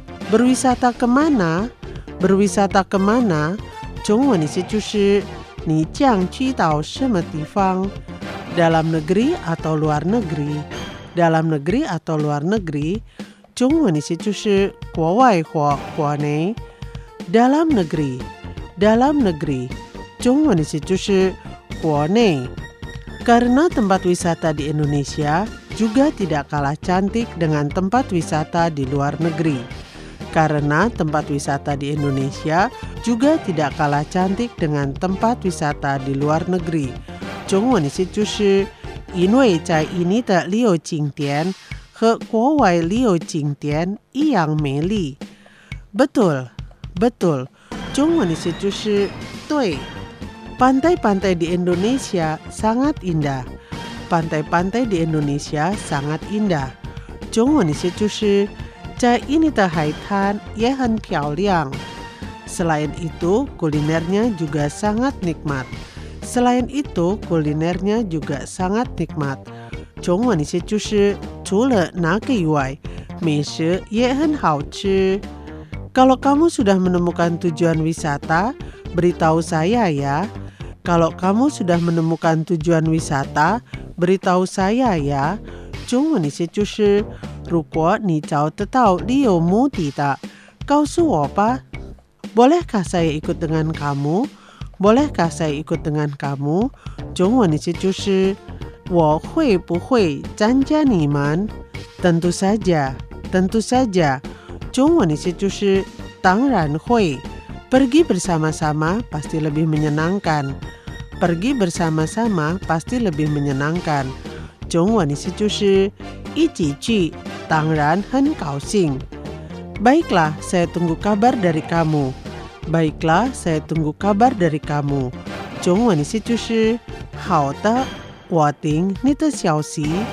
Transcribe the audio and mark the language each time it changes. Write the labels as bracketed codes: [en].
[id] berwisata kemana， [zh] 中文意思就是你将去到什么地方。 [id] dalam negeri atau luar negeri， [zh] 中文意思就是国外或国内。 [id] dalam negeri， [zh] 中文意思就是国内。 [id] karena tempat wisata di Indonesia juga tidak kalah cantik dengan tempat wisata di luar negeri。 karena tempat wisata di Indonesia juga tidak kalah cantik dengan tempat wisata di luar negeri。 [zh] 中文意思就是因为在印尼的旅游景点和国外旅游景点一样美丽。 [id] betul， [zh] 中文意思就是对。 [id] Pantai-pantai di Indonesia sangat indah. pantai-pantai di Indonesia sangat indah. [zh] 中文的意思就是, 在印尼的海滩也很漂亮。 [id] Selain itu, kulinernya juga sangat nikmat. Selain itu, kulinernya juga sangat nikmat. [zh] 中文的意思就是, 除了那个以外, 美食也很好吃。 [id] Kalau kamu sudah menemukan tujuan wisata, beritahu saya ya. Kalau kamu sudah menemukan tujuan wisata, beritahu saya ya. [zh] 中文的意思就是, 如果你找得到理由目的的, 告诉我吧。 [id] Bolehkah saya ikut dengan kamu? Bolehkah saya ikut dengan kamu? [zh] 中文的意思就是, 我会不会参加你们? [id] Tentu saja, tentu saja. [zh] 中文的意思就是, 当然会. [id] Pergi bersama-sama pasti lebih menyenangkan. Pergi bersama-sama pasti lebih menyenangkan. [zh] 中文的意思就是, 一起去, 当然很高兴. [id] Baiklah, saya tunggu kabar dari kamu. Baiklah, saya tunggu kabar dari kamu. [zh] 中文的意思就是, 好的,我听你的消息.